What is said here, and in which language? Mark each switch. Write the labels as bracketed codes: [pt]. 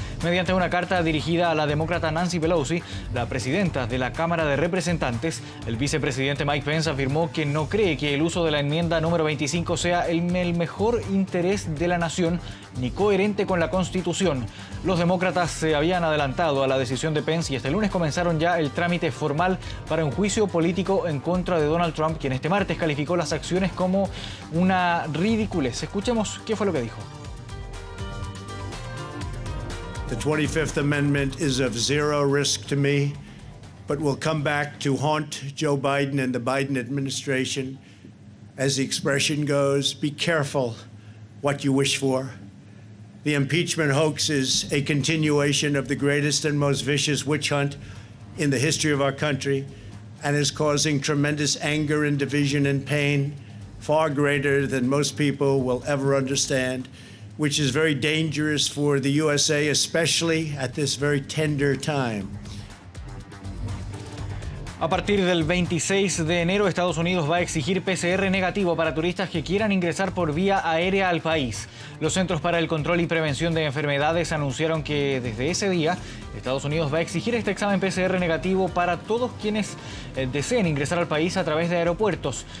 [es] Mediante una carta dirigida a la demócrata Nancy Pelosi, la presidenta de la Cámara de Representantes, el vicepresidente Mike Pence afirmó que no cree que el uso de la enmienda número 25 sea en el mejor interés de la nación ni coherente con la Constitución. Los demócratas se habían adelantado a la decisión de Pence y este lunes comenzaron ya el trámite formal para un juicio político en contra de Donald Trump, quien este martes calificó las acciones como una ridiculez. Escuchemos qué fue lo que dijo. [en] The 25th Amendment is of zero risk to me, but will come back to haunt Joe Biden and the Biden administration. As the expression goes, be careful what you wish for. The impeachment hoax is a continuation of the greatest and most vicious witch hunt in the history of our country and is causing tremendous anger and division and pain far greater than most people will ever understand. Which is very dangerous for the USA, especially at this very tender time. [es] A partir del 26 de enero, Estados Unidos va a exigir PCR negativo para turistas que quieran ingresar por vía aérea al país. Los Centros para el Control y Prevención de Enfermedades anunciaron que desde ese día, Estados Unidos va a exigir este examen PCR negativo para todos quienes deseen ingresar al país a través de aeropuertos.